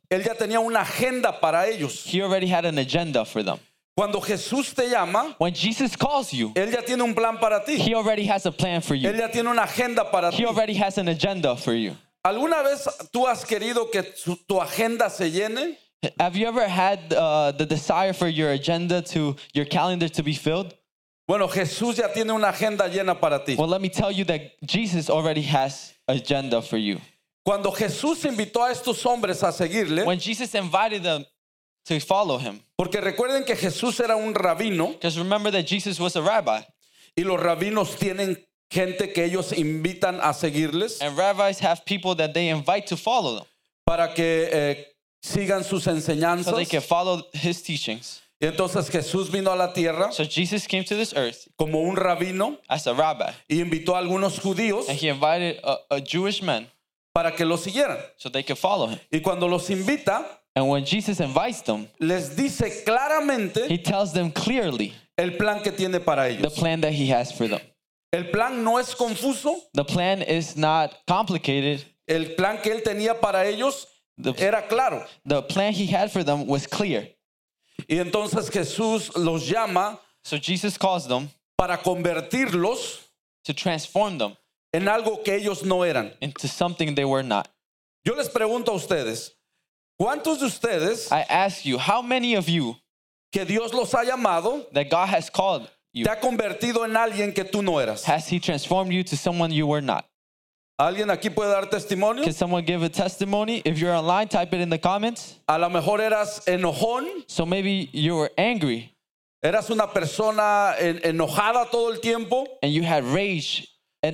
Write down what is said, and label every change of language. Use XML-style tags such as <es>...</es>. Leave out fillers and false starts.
<es>Él ya tenía una agenda para ellos.</es> <en>He already had an agenda for them.</en> <es>Cuando Jesús te llama,</es> <en>when Jesus calls you,</en> <es>él ya tiene un plan para ti.</es> <en>He already has a plan for you.</en> <es>Él ya tiene una agenda para</es> <en>he</en> <es>ti.</es> <en>He already has an agenda for you.</en> <es>¿Alguna vez tú has querido que tu agenda se llene?</es> <en>Have you ever had the desire for your agenda to your calendar to be filled?</en> <es>Bueno, Jesús ya tiene una agenda llena para ti.</es> <en>Well, let me tell you that Jesus already has an agenda for you.</en> <es>Cuando Jesús invitó a estos hombres a seguirle,</es> <en>when Jesus invited them to follow him,</en> <es>porque recuerden que Jesús era un rabino,</es> <en>because remember that Jesus was a rabbi,</en> <es>y los rabinos tienen gente que ellos invitan a seguirles,</es> <en>and rabbis have people that they invite to follow them,</en> <es>para que sigan sus enseñanzas,</es> <en>so they can follow his teachings.</en> <es>Y entonces Jesús vino a la tierra,</es> <en>so Jesus came to this earth,</en> <es>como un rabino,</es> <en>as a rabbi,</en> <es>y invitó a algunos judíos,</es> <en>and he invited a Jewish man,</en> <es>para que lo siguieran,</es> <en>so they could follow him.</en> <es>Y cuando los invita,</es> <en>and when Jesus invites them,</en> <es>les dice claramente,</es> <en>he tells them clearly,</en> <es>el plan que tiene para ellos,</es> <en>the plan that he has for them.</en> <es>El plan no es confuso,</es> <en>the plan is not complicated.</en> <es>El plan que él tenía para ellos era claro.</es> <en>The plan he had for them was clear.</en> <es>Y entonces Jesús los llama,</es> <en>so Jesus calls them,</en> <es>para convertirlos,</es> <en>to transform them,</en> <es>en algo que ellos no eran,</es> <en>into something they were not.</en> <es>Yo les pregunto a ustedes, ¿cuántos de ustedes,</es> <en>I ask you, how many of you,</en> <es>que Dios los ha llamado,</es> <en>that God has called you,</en> <es>te ha convertido en alguien que tú no eras?</es> <en>Has he transformed you to someone you were not?</en> <es>¿Alguien aquí puede dar testimonio?</es> <en>Can someone give a testimony? If you're online, type it in the comments.</en> <es>A lo mejor eras enojón.</es> <en>So maybe you were angry.</en> <es>Eras una persona enojada todo el tiempo.</es> <en>And you had rage at</en>